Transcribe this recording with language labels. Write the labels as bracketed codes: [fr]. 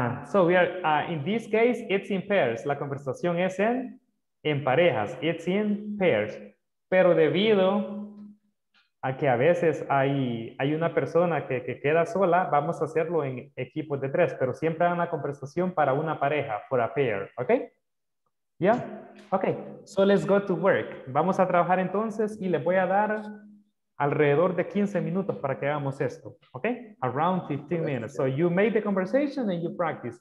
[en] So, we are, in this case, it's in pairs. [es] La conversación es en parejas, [en] it's in pairs, [es] pero debido a que a veces hay una persona que queda sola, vamos a hacerlo en equipos de tres, pero siempre hay una conversación para una pareja, [en] for a pair, [es] ¿ok? [en] Yeah, ok, so let's go to work. [es] Vamos a trabajar entonces y les voy a dar alrededor de 15 minutos para que hagamos esto, ¿ok? [en] Around 15 minutes. So you make the conversation and you practice.